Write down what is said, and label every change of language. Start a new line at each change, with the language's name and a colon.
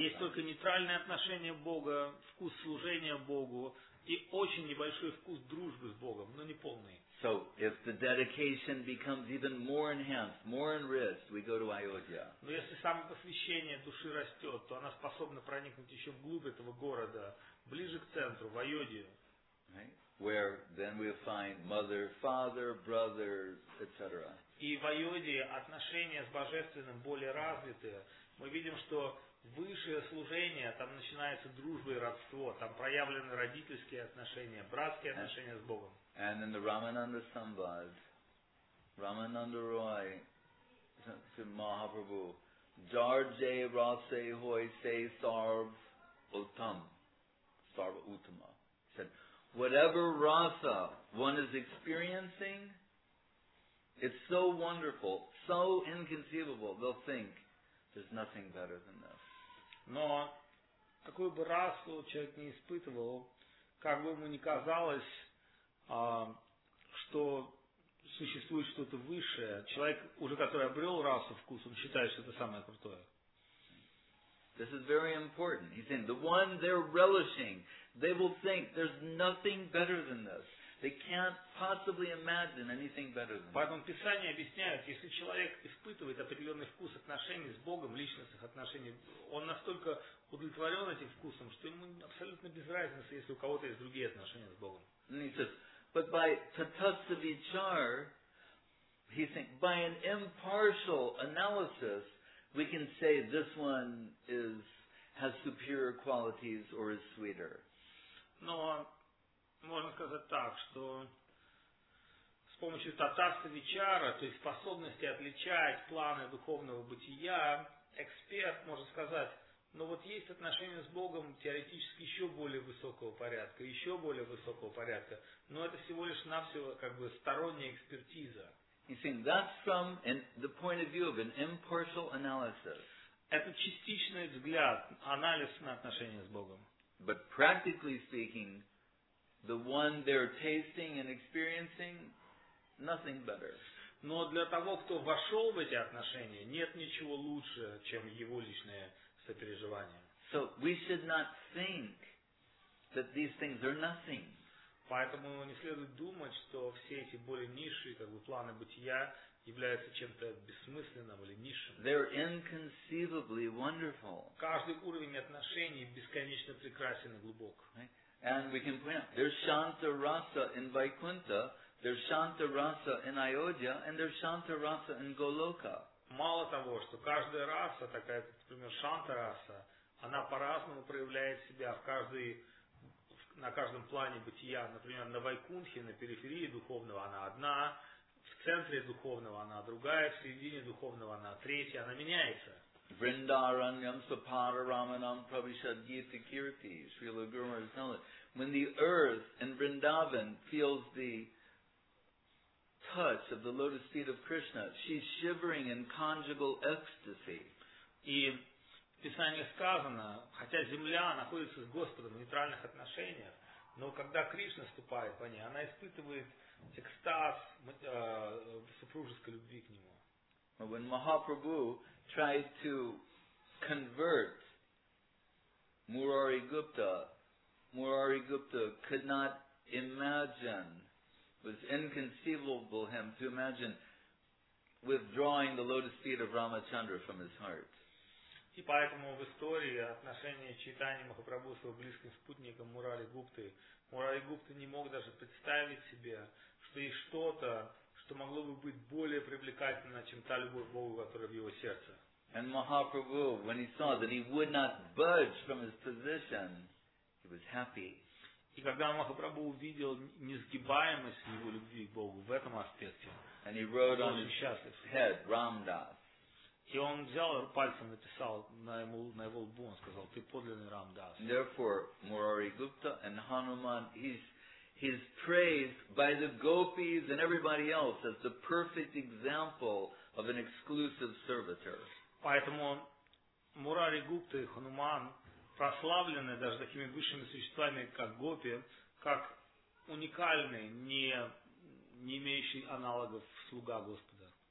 Russian: Есть только нейтральное отношение Бога, вкус служения Богу и очень небольшой вкус дружбы с Богом, но не полный.
English: So, if the dedication becomes even more enhanced, more enriched, we go to Ayodhya.
Russian: Но если самопосвящение души растет, то она способна проникнуть еще вглубь этого города, ближе к центру, в Айодию.
English: Right? Where then we find mother, father, brothers, etc.
Russian: И в Айодии отношения с Божественным более развиты. Мы видим, что высшее служение, там начинается дружба и родство, там проявлены родительские отношения, братские отношения с Богом.
English: And in the Ramananda Sambhad, Ramananda Roy to Mahaprabhu,
Bangla: Jarje Rase Hoy Se Sarv Uttam, Sarva Uttama,
English: said, whatever rasa one is experiencing, it's so wonderful, so inconceivable, they'll think there's nothing better than this.
Russian: Но какую бы расу человек не испытывал, как бы ему ни казалось, что существует что-то высшее. Человек, уже который обрел расу вкус, он считает, что это самое крутое.
English: This is very important. He's saying, the one they're relishing, they will think there's nothing better than this. They can't possibly imagine anything better than this.
Russian: Поэтому Писание объясняет, если человек испытывает определенный вкус отношений с Богом, личностных отношений, он настолько удовлетворен этим вкусом, что ему абсолютно без разницы, если у кого-то есть другие отношения с Богом.
English: And he says, but by tatasya vichar, he thinks, by an impartial analysis, we can say this one has superior qualities or is sweeter.
Russian: Но можно сказать так, что с помощью татасты вичара, то есть способности отличать планы духовного бытия, эксперт может сказать, но вот есть отношения с Богом теоретически еще более высокого порядка, еще более высокого порядка, но это всего лишь навсего как бы сторонняя экспертиза.
English: He's saying that's from the point of view of an impartial analysis.
Russian: Это частичный взгляд, анализ на отношения с Богом.
English: But practically speaking, the one they're tasting and experiencing, nothing better.
Russian: Но для того, кто вошел в эти отношения, нет ничего лучше, чем его личное сопереживание.
English: So we should not think that these things are nothing.
Russian: Поэтому не следует думать, что все эти более низшие как бы, планы бытия являются чем-то бессмысленным или низшим.
English: They're inconceivably wonderful.
Russian: Каждый уровень отношений бесконечно прекрасен и глубок.
English: Right? And we can point out, there's Shanta Rasa in Vaikuntha, there's Shanta Rasa in Ayodhya, and there's Shanta Rasa in Goloka.
Russian: Мало того, что каждая раса, такая, например, Шанта Раса, она по-разному проявляет себя в каждой на каждом плане бытия, например, на Вайкунхе, на периферии духовного она одна, в центре духовного она другая, в середине духовного она третья, она меняется.
Sanskrit: Vrindaranyam Saparamanam Prabhishadgita Kirti,
English: Srila Guru Maharaj tells it. When the earth in Vrindavan feels the touch of the lotus feet of Krishna, she's shivering in conjugal ecstasy.
Russian: И в Писании сказано, хотя земля находится с Господом в нейтральных отношениях, но когда Кришна ступает по ней, она испытывает экстаз супружеской любви к нему.
English: When Mahaprabhu tried to convert Murari Gupta, Murari Gupta could not imagine, it was inconceivable him to imagine withdrawing the lotus feet of Ramachandra from his heart.
Russian: И поэтому в истории отношения Чайтаньи Махапрабху с его близким спутником Мурари Гупты, Мурари Гупта не мог даже представить себе, что есть что-то, что могло бы быть более привлекательно, чем та любовь к Богу, которая в его сердце.
English: And Mahaprabhu, when he saw that he would not budge from his position, he was happy.
Russian: И когда Махапрабху увидел несгибаемость его любви к Богу в этом аспекте,
English: and he wrote on his
Russian: счастлив.
English: Head, Рамдас.
Russian: И он взял пальцем, написал на его лбу, он сказал, ты подлинный Рамдас.
English: Therefore, Murari Gupta and Hanuman, he's praised by the gopis and everybody else as the perfect example of an exclusive servitor.
Russian: Поэтому Мурари Гупта и Хануман прославлены даже такими высшими существами, как гопи, как уникальные, не имеющие аналогов слуга Господа.